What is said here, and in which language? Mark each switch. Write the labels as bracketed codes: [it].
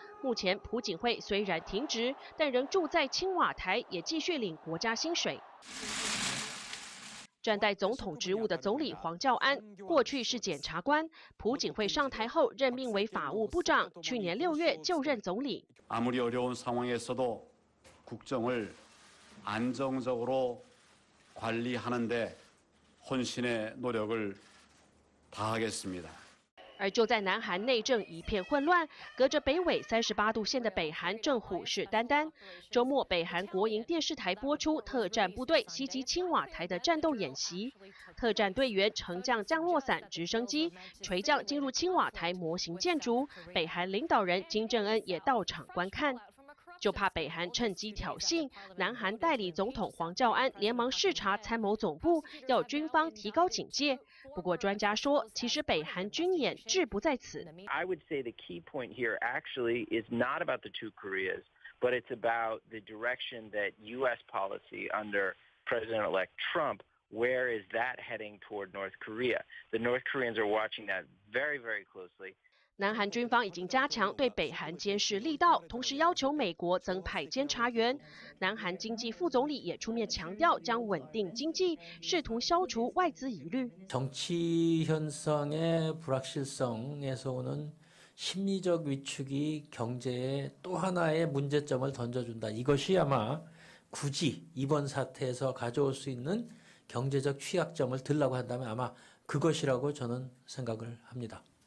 [zh] 目前朴槿惠虽然停职，但仍住在青瓦台，也继续领国家薪水。站在总统职务的总理黄教安，过去是检察官，朴槿惠上台后任命为法务部长，去年六月就任总理。 [ko] 아무리어려운상황에서도국정을안정적으로관리하는데헌신의노력을다하겠습니다 [zh] 而就在南韩内政一片混乱，隔着北纬38度线的北韩正虎视眈眈。周末，北韩国营电视台播出特战部队袭击青瓦台的战斗演习，特战队员乘降降落伞、直升机垂降进入青瓦台模型建筑，北韩领导人金正恩也到场观看。就怕北韩趁机挑衅，南韩代理总统黄教安连忙视察参谋总部，要军方提高警戒。不过专家说，其实北韩军演志不在此。 [en] I would say the key point here actually is not about the two Koreas, but it's about the direction that U.S. policy under President-elect Trump, where is that heading toward North Korea? The North Koreans are watching that very, very closely. [zh] 南韩军方已经加强对北韩监视力道，同时要求美国增派监察员。南韩经济副总理也出面强调将稳定经济，试图消除外资疑虑。 [ko] 정치현상의불확실성에서오는심리적위축이경제에또하나의문제점을던져준다이것이아마굳이이번사태에서가져올수있는경제적취약점을들라고한다면아마그것이라고저는생각을합니다